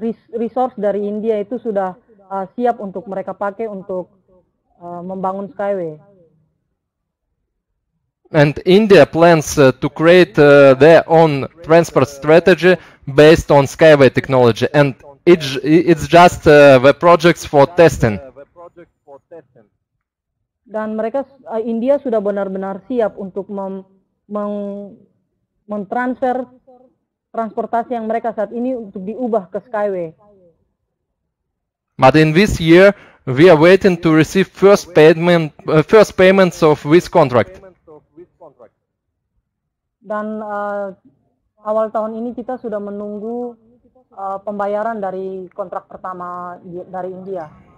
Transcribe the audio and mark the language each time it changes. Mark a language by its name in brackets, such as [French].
[Indonesian] Resource dari India itu sudah siap untuk mereka pakai untuk membangun skyway. [English] And India plans to create their own transport strategy based on skyway technology, and it's just the projects for testing. [Indonesian] Dan mereka India sudah benar-benar siap untuk mentransfer transportasi yang mereka saat ini untuk diubah ke skyway. [English] But in this year, we are waiting to receive first payments of this contract. [Indonesian] Dan awal tahun ini kita sudah menunggu pembayaran dari kontrak pertama dari India.